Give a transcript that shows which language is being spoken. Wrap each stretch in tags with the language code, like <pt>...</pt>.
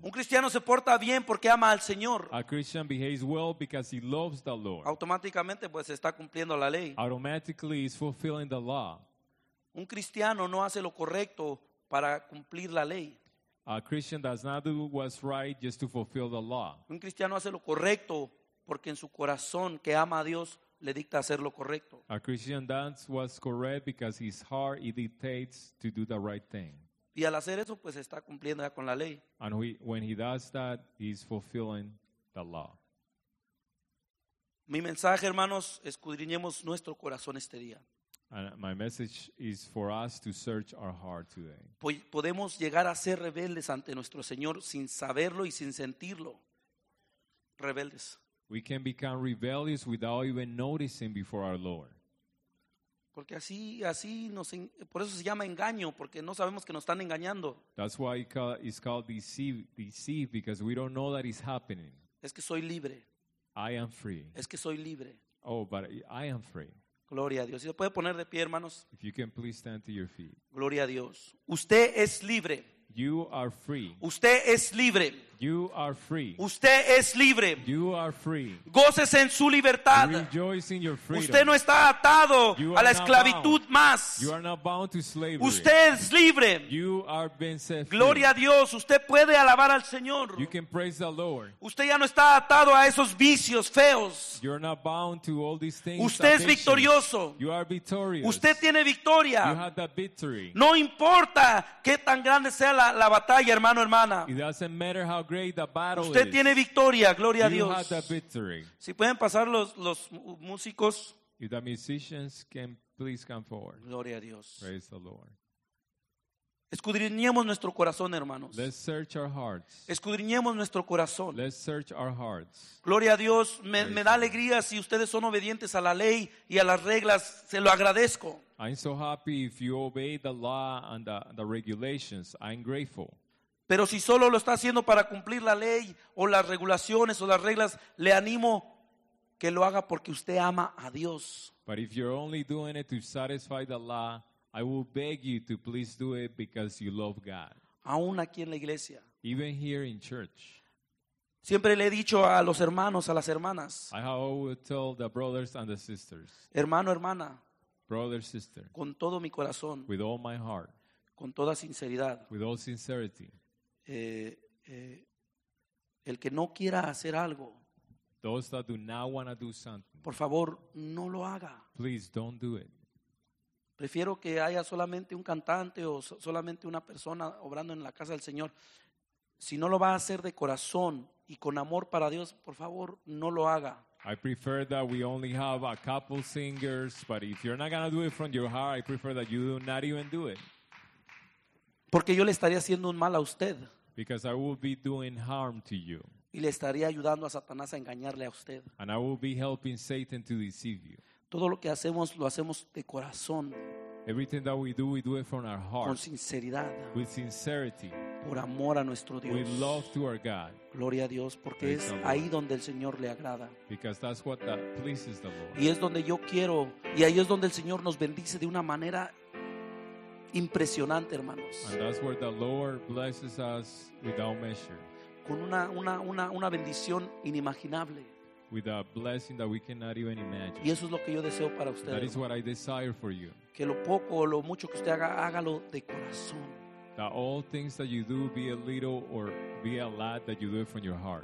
<es>Un cristiano se porta bien porque ama al Señor.</es> <en>A Christian behaves well because he loves the Lord.</en> <es>Automáticamente pues está cumpliendo la ley.</es> <en>Automatically he's fulfilling the law.</en> <es>Un cristiano no hace lo correcto para cumplir la ley.</es> <en>A Christian does not do what's right just to fulfill the law.</en> <es>Un cristiano hace lo correcto porque en su corazón que ama a Dios le dicta hacer lo correcto.</es> <en>A Christian does what's correct because his heart it dictates to do the right thing.</en> <es>Y al hacer eso, pues está cumpliendo ya con la ley.</es> <en>And when he does that, he's fulfilling the law.</en> <es>Mi mensaje, hermanos, escudriñemos nuestro corazón este día.</es> <en>And my message is for us to search our heart today.</en> <es>Podemos llegar a ser rebeldes ante nuestro Señor sin saberlo y sin sentirlo. Rebeldes.</es> <en>We can become rebellious without even noticing before our Lord.</en> <es>Porque así nos por eso se llama engaño, porque no sabemos que nos están engañando.</es> <en>That's why it's called deceive because we don't know that it's happening.</en> <es>Es que soy libre.</es> <en>I am free.</en> <es>Es que soy libre.</es> <en>Oh, but I am free.</en> <es>Gloria a Dios. Si se puede poner de pie, hermanos.</es> <en>If you can please stand to your feet.</en> <es>Gloria a Dios. Usted es libre.</es> <en>You are free.</en> <es>Usted es libre.</es> <en>You are free.</en> <es>Usted es libre.</es> <en>You are free.</en> <es>Gócese en su libertad.</es> <en>Rejoice in your freedom.</en> <es>Usted no está atado a la esclavitud más.</es> <en>You are not bound to slavery.</en> <es>Usted es libre.</es> <en>You are been set free.</en> <es>Gloria a Dios. Usted puede alabar al Señor.</es> <en>You can praise the Lord.</en> <es>Usted ya no está atado a esos vicios feos.</es> <en>You're not bound to all these things.</en> <es>Usted es victorioso.</es> <en>You are victorious.</en> <es>Usted tiene victoria.</es> <en>You have the victory.</en> <es>No importa qué tan grande sea la batalla, hermano, hermana.</es> <en>It doesn't matter how great the battle</en> <es>usted</es> <en>is.</en> <es>Tiene victoria, gloria a Dios.</es> <en>Have the victory.</en> <es>Si pueden pasar los músicos.</es> <en>If the musicians can please come forward.</en> <es>Gloria a Dios.</es> <en>Praise the Lord.</en> <es>Escudriñemos nuestro corazón, hermanos.</es> <en>Let's search our hearts.</en> <es>Escudriñemos nuestro corazón.</es> <en>Let's search our hearts.</en> <es>Gloria a Dios. Me da alegría si ustedes son obedientes a la ley y a las reglas. Se lo agradezco.</es> <en>I'm so happy if you obey the law and the regulations. I'm grateful.</en> <es>Pero si solo lo está haciendo para cumplir la ley o las regulaciones o las reglas, le animo que lo haga porque usted ama a Dios.</es> <en>But if you're only doing it to satisfy the law, I will beg you to please do it because you love God.</en> <es>Aún aquí en la iglesia.</es> <en>Even here in church.</en> <es>Siempre le he dicho a los hermanos, a las hermanas.</es> <en>I have always told the brothers and the sisters.</en> <es>Hermano, hermana.</es> <en>Brother, sister.</en> <es>Con todo mi corazón.</es> <en>With all my heart.</en> <es>Con toda sinceridad.</es> <en>With all sincerity.</en> <es>El que no quiera hacer algo,</es> <en>those that do not want to do something,</en> <es>por favor, no lo haga.</es> <en>Please don't do it.</en> <es>Prefiero que haya solamente un cantante o solamente una persona obrando en la casa del Señor. Si no lo va a hacer de corazón y con amor para Dios, por favor, no lo haga.</es> <en>I prefer that we only have a couple singers, but if you're not going to do it from your heart, I prefer that you do not even do it.</en> <es>Porque yo le estaría haciendo un mal a usted.</es> <en>Because I will be doing harm to you.</en> <es>Y le estaría ayudando a Satanás a engañarle a usted.</es> <en>And I will be helping Satan to deceive you.</en> <es>Todo lo que hacemos, lo hacemos de corazón.</es> <en>Everything that we do it from our heart.</en> <es>Con sinceridad.</es> <en>With sincerity.</en> <es>por amor a nuestro Dios.</es> <en>We love to our God.</en> <es>Gloria a Dios, porque es ahí donde el Señor le agrada.</es> <en>Because that's what that pleases the Lord.</en> <es>Y es donde yo quiero, y ahí es donde el Señor nos bendice de una manera impresionante, hermanos.</es> <en>And that's where the Lord blesses us without measure.</en> <es>Con una bendición inimaginable.</es> <en>With a blessing that we cannot even imagine.</en> <es>Y eso es lo que yo deseo para ustedes.</es> <en>That is what I desire for you.</en> <es>Que lo poco o lo mucho que usted haga, hágalo de corazón.</es> <en>That all things that you do, be a little or be a lot, that you do it from your heart.</en>